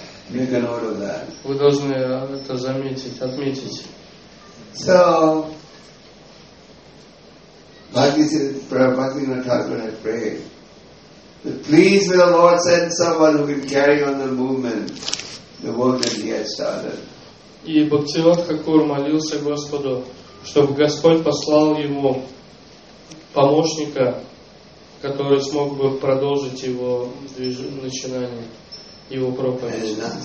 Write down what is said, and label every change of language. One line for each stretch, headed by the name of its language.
Russian: Вы должны это заметить, отметить.
English: So, Bhaktivinoda Thakur had prayed that please will the Lord send someone who can carry on the movement, the work that he had started.
Russian: И Бхактивинода Хакур молился Господу, чтобы Господь послал ему помощника, который смог бы продолжить его начинание, его проповедь.